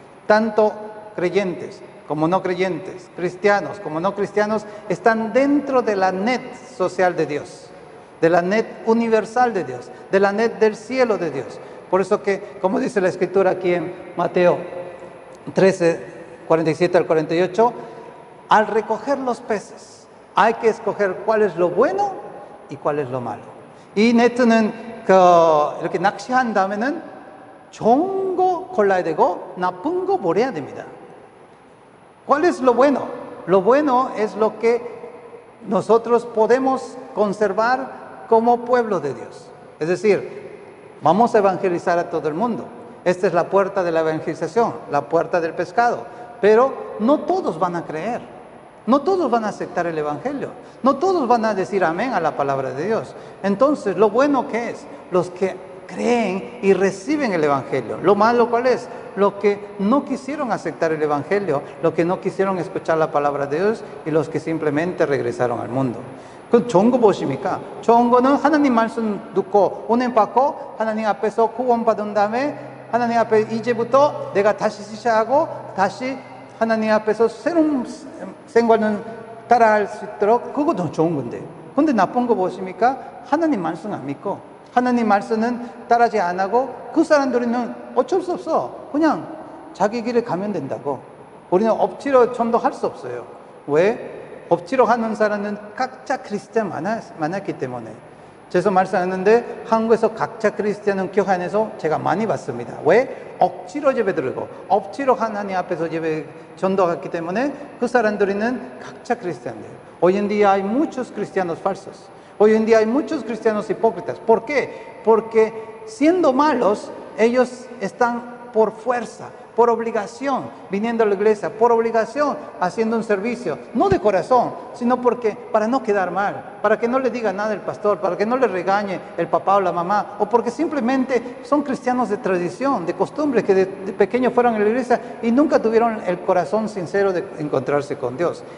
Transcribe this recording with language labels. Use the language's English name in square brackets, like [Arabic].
[Spanish] Tanto creyentes como no creyentes, cristianos como no cristianos, están dentro de la net social de Dios, de la net universal de Dios, de la net del cielo de Dios. Por eso que, como dice la Escritura aquí en Mateo 13, 47 al 48, al recoger los peces, hay que escoger cuál es lo bueno y cuál es lo malo. [Korean] Y net은 이렇게 낚시한 다음에는 좋은 거 골라야 되고 나쁜 거 버려야 됩니다. [Spanish] ¿Cuál es lo bueno? Lo bueno es lo que nosotros podemos conservar como pueblo de Dios. Es decir, vamos a evangelizar a todo el mundo. Esta es la puerta de la evangelización, la puerta del pescado. Pero no todos van a creer. No todos van a aceptar el Evangelio. No todos van a decir amén a la palabra de Dios. Entonces, lo bueno que es, los que creen y reciben el Evangelio. Lo malo, ¿cuál es? Los que no quisieron aceptar el Evangelio, los que no quisieron escuchar la palabra de Dios y los que simplemente regresaron al mundo. [Korean] ¿Qué 좋은 거 보십니까? 좋은 거는 하나님 말씀 듣고 은혜 받고 하나님 앞에서 구원 받은 다음에 하나님 앞에 이제부터 내가 다시 시작하고 다시 하나님 앞에서 새로운 생활을 따라할 수 있도록 그것도 좋은 건데 근데 나쁜 거 보십니까? 하나님 말씀 안 믿고 하나님 말씀은 따라지 안 하고 그 사람들은 어쩔 수 없어 그냥 자기 길에 가면 된다고 우리는 억지로 전도할 수 없어요 왜? 억지로 하는 사람은 각자 크리스티안 많았기 때문에 제가 말씀하는데 한국에서 각자 크리스티안은 교회 안에서 제가 많이 봤습니다 왜? 억지로 예배 들고 억지로 하나님 앞에서 예배 전도하기 때문에 그 사람들은 각자 크리스티안이에요 [Spanish] Hoy en día hay muchos cristianos falsos. Hoy en día hay muchos cristianos hipócritas. ¿Por qué? Porque siendo malos, ellos están por fuerza, por obligación, viniendo a la iglesia, por obligación, haciendo un servicio, no de corazón, sino porque, para no quedar mal, para que no le diga nada el pastor, para que no le regañe el papá o la mamá, o porque simplemente son cristianos de tradición, de costumbre, que de pequeño fueron a la iglesia y nunca tuvieron el corazón sincero de encontrarse con Dios.